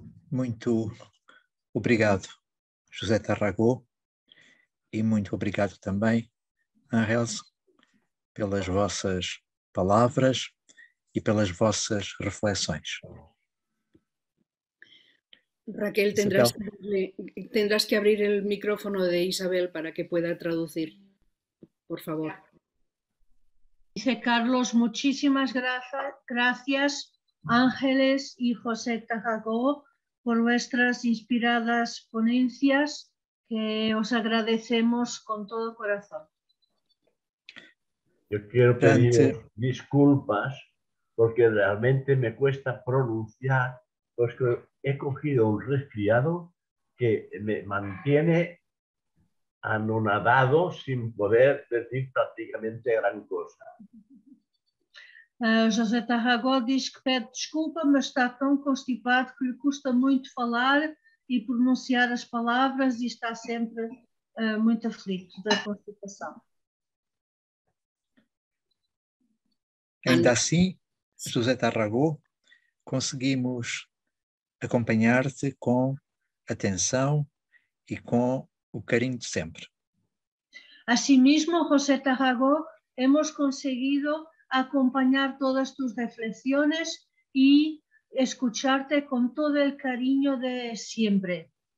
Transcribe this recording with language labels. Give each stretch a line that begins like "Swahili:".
Portuguese: Muito obrigado, José Tarragó, e muito obrigado também, Ángeles, pelas vossas palavras e pelas vossas reflexões.
Spanish: Raquel, tendrás que abrir el micrófono de Isabel para que pueda traducir, por favor. Dice Carlos, muchísimas gracias, Ángeles y José Tarragó, por vuestras inspiradas ponencias, que os agradecemos con todo corazón. Yo quiero pedir disculpas porque realmente me cuesta pronunciar, pues que he cogido un resfriado que me mantiene anonadado sin poder decir prácticamente gran cosa.
Portuguese: José Tarragó diz que pede desculpa, mas está tão constipado que lhe custa muito falar e pronunciar as palavras e está sempre muito aflito da constipação. Ainda assim, José Tarragó, conseguimos acompanhar-te com atenção e com o carinho de sempre.
Spanish: Assimismo, José Tarragó, hemos conseguido acompañar todas tus reflexiones y escucharte con todo el cariño de siempre.